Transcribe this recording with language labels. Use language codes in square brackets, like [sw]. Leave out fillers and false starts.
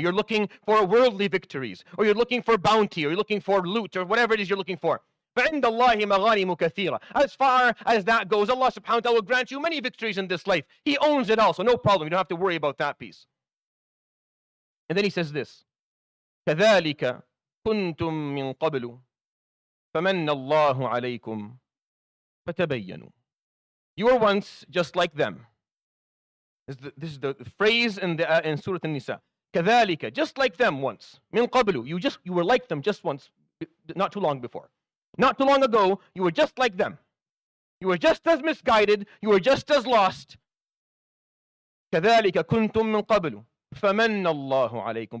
[en] You're looking for worldly victories, or you're looking for bounty, or you're looking for loot, or whatever it is you're looking for. [ar] فَعِنْدَ اللَّهِ مَغَانِمُ كَثِيرًا. [en] As far as that goes, Allah subhanahu wa ta'ala will grant you many victories in this life. He owns it all, so no problem. You don't have to worry about that piece. And then He says this, [ar] كذلك كنتم من قبل فمن الله عليكم فتبينوا. [en] You were once just like them. This is the phrase in Surah An-Nisa. كذلك, just like them once. [ar] من قبل, [en] you were like them just once, not too long before. Not too long ago, you were just like them. You were just as misguided, you were just as lost. [ar] كذلك كنتم من قبل فمن الله عليكم.